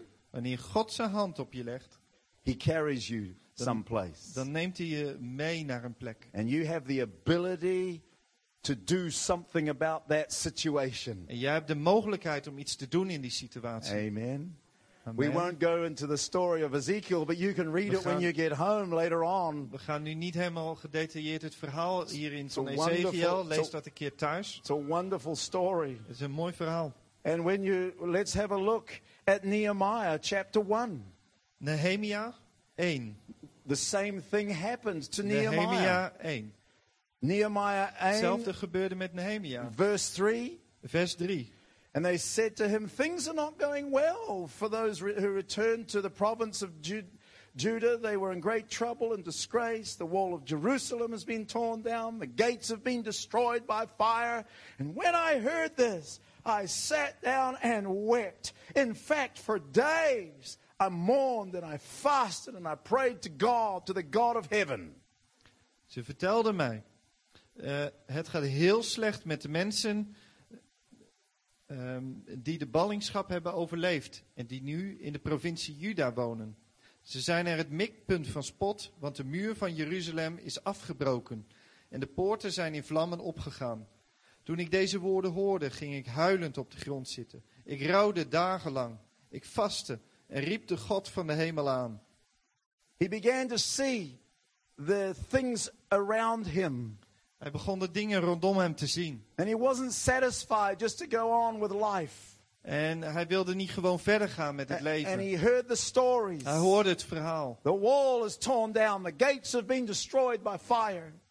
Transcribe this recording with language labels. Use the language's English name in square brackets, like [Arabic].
[Dutch] wanneer God zijn hand op je legt, [English] he carries you. [Dutch] Dan neemt hij je mee naar een plek. [English] And you have the ability to do something about that situation. [Dutch] En jij hebt de mogelijkheid om iets te doen in die situatie. [English] Amen. We won't go into the story of Ezekiel, but you can read it when you get home later on. [Dutch] We gaan nu niet helemaal gedetailleerd het verhaal hierin van Ezekiel. Lees dat een keer thuis. [English] It's a wonderful story. [Dutch] Het is een mooi verhaal. [English] And when you let's have a look at Nehemiah chapter 1. [Dutch] Nehemia 1. [English] The same thing happened to Nehemiah. Nehemiah 1. [Dutch] Hetzelfde gebeurde met Nehemia. [English] Vers 3. And they said to him, things are not going well for those who returned to the province of Judah. They were in great trouble and disgrace. The wall of Jerusalem has been torn down. The gates have been destroyed by fire. And when I heard this, I sat down and wept. In fact, for days I mourned and I fasted and I prayed to God, to the God of heaven. [Dutch] Ze vertelde mij, het gaat heel slecht met de mensen die de ballingschap hebben overleefd en die nu in de provincie Juda wonen. Ze zijn er het mikpunt van spot, want de muur van Jeruzalem is afgebroken en de poorten zijn in vlammen opgegaan. Toen ik deze woorden hoorde, ging ik huilend op de grond zitten. Ik rouwde dagenlang, ik vastte. En riep de God van de hemel aan. [English] He began to see the things around him. [Dutch] Hij begon de dingen rondom hem te zien. [English] And he wasn't satisfied just to go on with life. [Dutch] En hij wilde niet gewoon verder gaan met het leven. [English] And he heard the stories. [Dutch] Hij hoorde het verhaal. [English] The wall is torn down. The gates have been destroyed by fire.